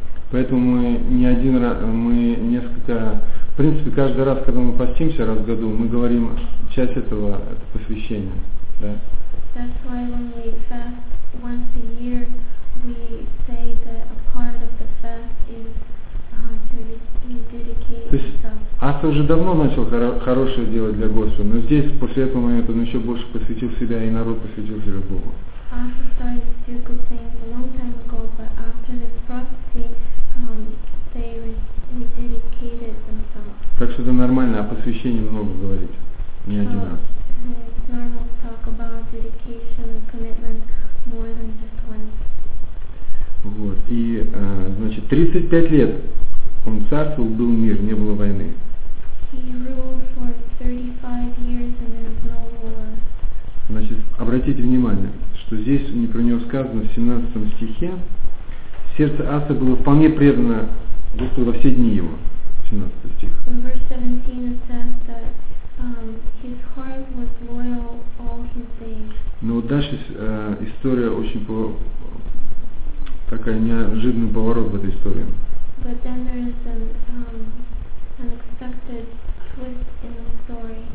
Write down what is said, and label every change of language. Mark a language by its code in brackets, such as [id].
[ru] Поэтому мы не один раз, мы несколько... В принципе, каждый раз, когда мы постимся раз в году, мы говорим часть этого – это посвящение. Да? [en] That's why when we fast once a year, we say that a part of the fast is to dedicate ourselves. [ru] Ас уже давно начал хорошее делать для Господа, но здесь после этого момента он еще больше посвятил себя и народ посвятил себя Богу. [en] Ас started to do good things a long time ago, but after this prophecy, they rededicated themselves. [ru] Так что это нормально, о посвящении много говорить, не один раз. [en] It's normal to talk about dedication and commitment more than just once. [ru] Вот. И, значит, 35 лет он царствовал, был мир, не было войны. [en] He ruled for 35 years and there was no war. [ru] Значит, обратите внимание, что здесь про него сказано в 17 стихе. Сердце Аса было вполне предано Господу во все дни его. 17 стих. [en] In verse 17 it says that his heart was loyal all his days. [ru] Но вот дальше история очень такая неожиданный поворот в этой истории. [en] But then there is an unexpected twist in the story.